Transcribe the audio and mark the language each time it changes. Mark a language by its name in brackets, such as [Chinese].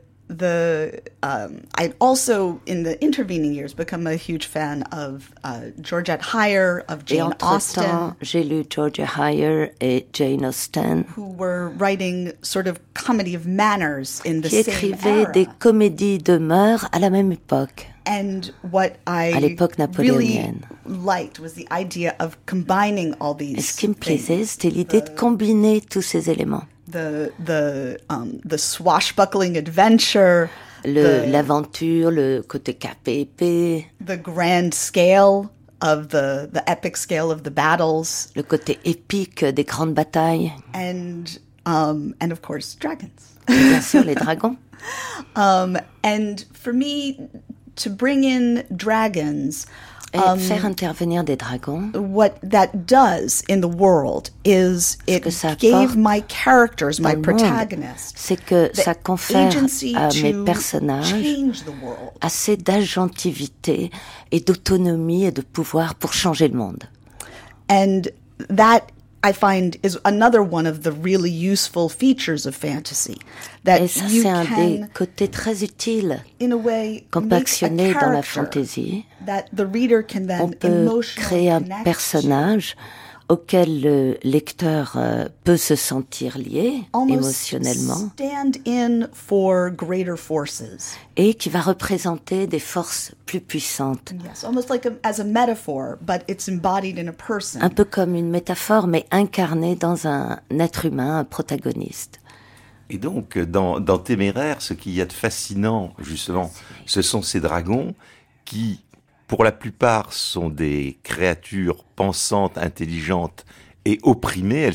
[English] I also in the intervening years become a huge fan of Georgette Heyer, of Jane Austen. [French] J'ai lu Georgette Heyer et Jane Austen, [English] who were writing sort of comedy of manners in the same era. [French] Qui écrivaient des comédies de mœurs à la même époque. [English] And what I really liked was the idea of combining all these. [French] Ce qui me plaisait, c'était l'idée de combiner tous ces éléments. [English] The swashbuckling adventure, [French] l'aventure, le côté capé épée, [English] the grand scale of the epic scale of the battles, [French] le côté épique des grandes batailles, [English] and of course dragons, [French] et bien sûr les dragons. [English] And for me to bring in dragons, [French] Et faire intervenir des dragons. [English] What that does in the world is it gave my characters, my protagonists, [French] c'est que ça confère à mes personnages assez d'agentivité et d'autonomie et de pouvoir pour changer le monde. [English] And that I find is another one of the really useful features of fantasy. That [French] et ça, [English] you [French] c'est [English] can, [French] un des côtés très utiles compactionnés dans la fantasy. [English] That the reader can then [French] on peut créer un personnage auquel le lecteur peut se sentir lié émotionnellement [English] stand in for greater forces. [French] Et qui va représenter des forces plus puissantes. [English] Yes, almost like as a metaphor, but it's embodied in a person. [French] Un peu comme une métaphore, mais incarnée dans un être humain, un protagoniste. Et donc, dans Téméraire, ce qu'il y a de fascinant, justement, ce sont ces dragons qui... pour la plupart, sont des créatures pensantes, intelligentes et opprimées.